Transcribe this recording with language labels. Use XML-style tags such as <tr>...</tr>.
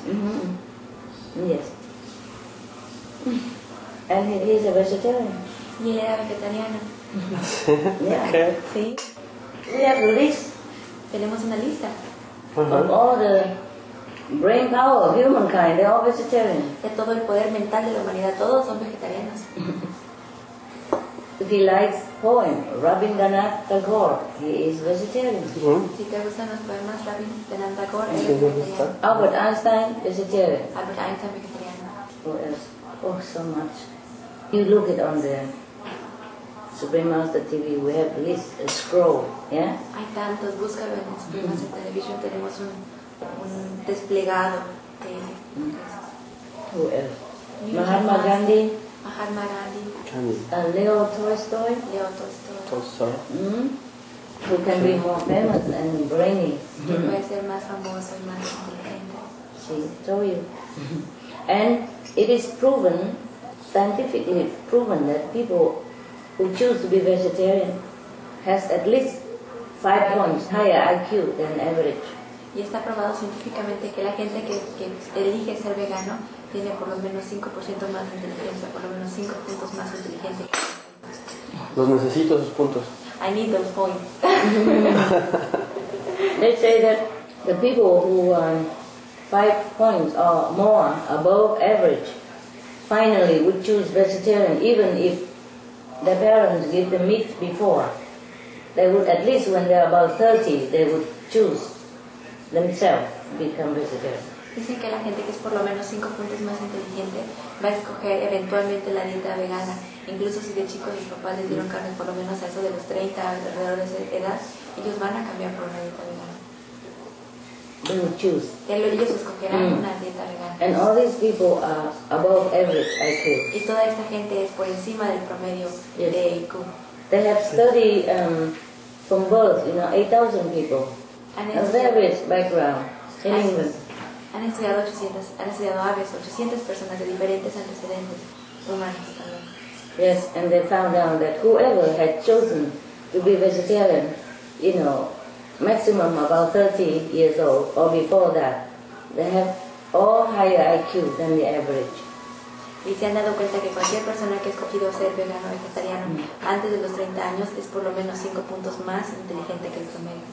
<en>Mm-hmm. Yes. And he is a vegetarian.</en> <es>Y él era vegetariano.</es> <en>Sí. We have a list.</en> <es>Tenemos una lista. Uh-huh.</es> <en>Of all the brain power of humankind, they're all vegetarian.</en> <es>De todo el poder mental de la humanidad, todos son vegetarianos.</es> <en>If he likes poem, Rabindranath Tagore, he is vegetarian.</en> <es>Si te gustan los poemas, Rabindranath Tagore, él es vegetariano.</es> <en>Albert Einstein, vegetarian.</en> <es>Albert Einstein, vegetariano.</es> <en>Who else? Oh, so much. You look it on there. Supreme Master TV, we have a list, a scroll, yeah?</en> <es>Hay tantos, búscalo en Supreme Master Television, tenemos un desplegado de...</es> <en>Who else? Mahatma Gandhi.</en> <es>Mahatma Gandhi.</es> <en>Leo Tolstoy.</en> <es>Leo Tolstoy. Tolstoy.</es> <en>Mm-hmm. Who can be more famous and brainy.</en> <es>Puede ser más famoso y más inteligente.</es> <en>Sí, show you. And it is proven, scientifically proven, that people who choose to be vegetarian has at least 5 points higher IQ than average.</en> <es>Y está probado científicamente que la gente que elige ser vegano tiene por lo menos 5% más de inteligencia, por lo menos 5 puntos más inteligente. Los necesito esos puntos.</es> <en>I need those points. They say that the people who are 5 points or more above average finally would choose vegetarian, even if their parents give them meat before. They would, at least when they are about 30, they would choose themselves to become vegetarian.</en> <es>Dicen que la gente que es por lo menos 5 puntos más inteligente va a escoger eventualmente la dieta vegana. Incluso si de chicos sus papás les dieron carne por lo menos a eso de los 30, alrededor de esa edad, ellos van a cambiar por una dieta vegana.</es> <en>They would choose.</en> <es>Ellos escogerán una dieta vegana.</es> <en>And all these people are above average IQ.</en> <es>Y toda esta gente es por encima del promedio de IQ.</es> <en>They have studied from birth, you know, 8,000 people. A very rich background in England.</en> <es>Han estudiado aves, 800 personas de diferentes antecedentes humanos.</es> <en>Yes, and they found out that whoever had chosen to be vegetarian, you know, maximum about 30 years old or before that, they have all higher IQ than the average.</en> <es>Y se han dado cuenta que cualquier persona que ha escogido ser vegano o vegetariano antes de los 30 años es por lo menos 5 puntos más inteligente que el promedio.</es>